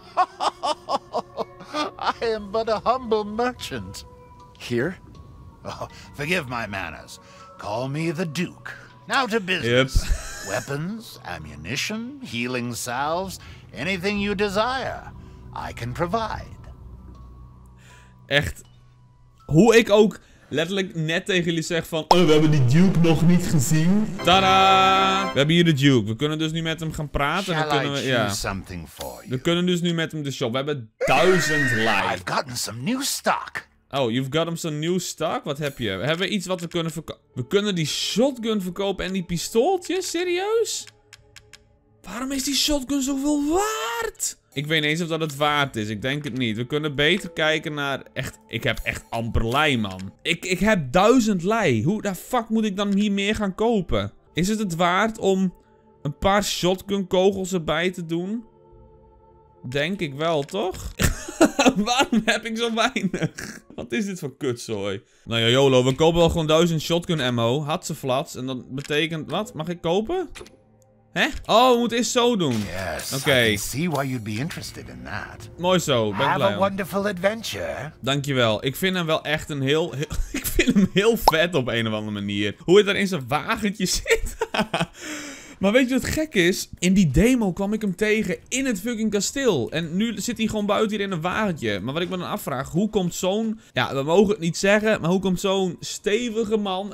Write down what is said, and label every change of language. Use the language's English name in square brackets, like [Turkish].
[English] I am but a humble merchant. Here? Oh, forgive my manners. Call me the Duke. Now to business. Yep. Weapons, ammunition, healing salves, anything you desire, I can provide. [Dutch] Echt... Hoe ik ook letterlijk net tegen jullie zeg van... Oh, we hebben die Duke nog niet gezien. Tadaa! We hebben hier de Duke. We kunnen dus nu met hem gaan praten. [English] Shall [Dutch] dan kunnen we, [English] I [Dutch] ja. [English] something for you? [Dutch] We kunnen dus nu met hem de shop. We hebben 1000 life. [English] I've gotten some new stock. Oh, you've got him some new stock? [Dutch] Wat heb je? Hebben we iets wat we kunnen verkopen? We kunnen die shotgun verkopen en die pistooltjes? Serieus? Waarom is die shotgun zoveel waard? Ik weet niet eens of dat het waard is. Ik denk het niet. We kunnen beter kijken naar... Echt, ik heb echt amper lei, man. Ik heb 1000 lei. Hoe de fuck moet ik dan hier meer gaan kopen? Is het waard om een paar shotgunkogels erbij te doen? Denk ik wel, toch? Waarom heb ik zo weinig? Wat is dit voor kutzooi? Nou ja, YOLO. We kopen wel gewoon 1000 shotgun ammo. Hatseflats. En dat betekent... Wat? Mag ik kopen? Hè? Oh, we moeten eerst zo doen. [English] Yes, okay. I can see why you'd be interested in that. [Dutch] Mooi zo, ben [English] Have [Dutch] blij. [English] Have a wonderful adventure. [Dutch] Dankjewel. Ik vind hem wel echt een heel... ik vind hem heel vet op een of andere manier. Hoe hij daar in zijn wagentje zit. Maar weet je wat gek is? In die demo kwam ik hem tegen in het fucking kasteel. En nu zit hij gewoon buiten hier in een wagentje. Maar wat ik me dan afvraag, hoe komt zo'n... Ja, we mogen het niet zeggen, maar hoe komt zo'n stevige man...